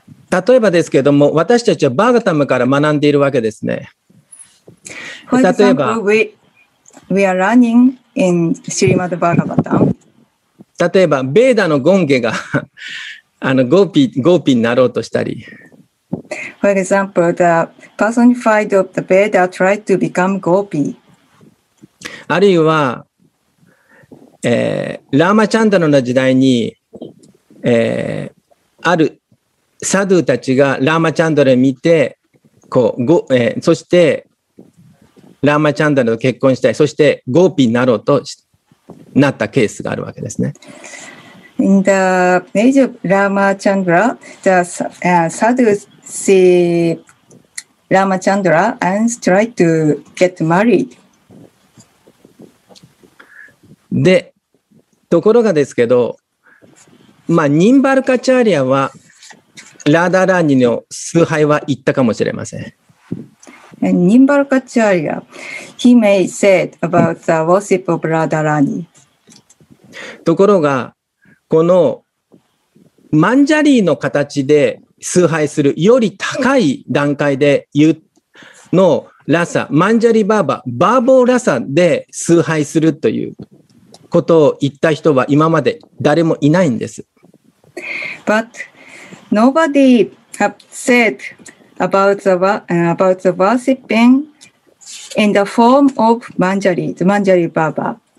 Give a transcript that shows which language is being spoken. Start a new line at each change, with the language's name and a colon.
Japanese: 例えばですけれども、私たちはバーガタムから学んでいるわけですね。
English: 例えば、we are learning in Srimad Bhagavatam。
Japanese: 例えば、ベーダのゴンゲがゴーピになろうとしたり。
English: For example, the personified of the Veda tried to become Gopi。
Japanese: あるいは、ラーマチャンダラの時代に、あるサドゥたちがラーマチャンドラを見てこう、そしてラーマチャンダルと結婚したい、そしてゴーピーになろうとなったケースがあるわけですね。
English: In the age of Rama Chandra, the Sadducee Rama Chandra and tried to get married.
Japanese: で、ところがですけど、まあ、ニンバルカチャーリアはラダラーニの崇拝は言ったかもしれません。
English: ニンバルカチャーリア、he may say about the worship of ラダラーニ。
Japanese: ところが、このマンジャリーの形で崇拝するより高い段階でのラサ、マンジャリーバーバ、バーボーラサで崇拝するということを言った人は今まで誰もいないんです。
English: But nobody have said about the worshiping in the form of Manjari, the Manjari Baba.